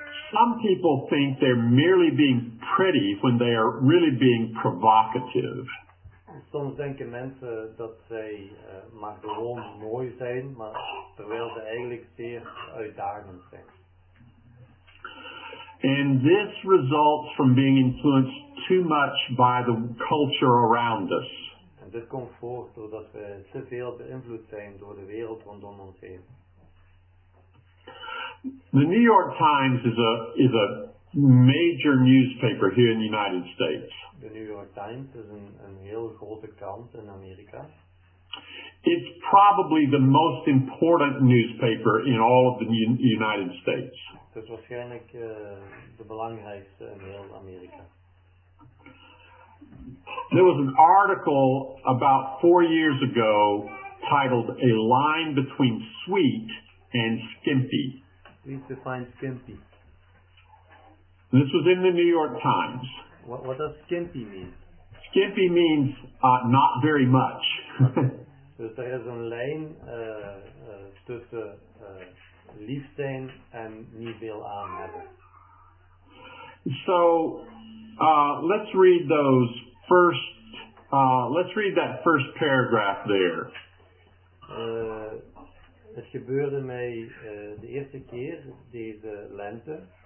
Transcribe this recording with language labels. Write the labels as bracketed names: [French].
[English] Some people think they're merely being pretty when they are really being provocative. [Dutch] Soms denken mensen dat zij maar gewoon mooi zijn, maar terwijl ze eigenlijk zeer uitdagend zijn. [English] And this results from being influenced too much by the culture around us. [Dutch] En dit komt voort doordat we te veel beïnvloed zijn door de wereld rondom ons heen. [English] The New York Times is a major newspaper here in the United States. [Dutch] The New York Times is een heel grote krant in Amerika. [English] It's probably the most important newspaper in all of the United States. [Dutch] Het is waarschijnlijk de belangrijkste in heel Amerika. [English] There was an article about 4 years ago titled A Line Between Sweet and Skimpy. Please define skimpy. This was in the New York Times. What does skimpy mean? Skimpy means not very much. [Dutch] Dus er is een lijn tussen lief zijn en niet veel aan hebben. [English] So, let's read those first. Let's read that first paragraph there. [Dutch] Het gebeurde mij de eerste keer deze lente.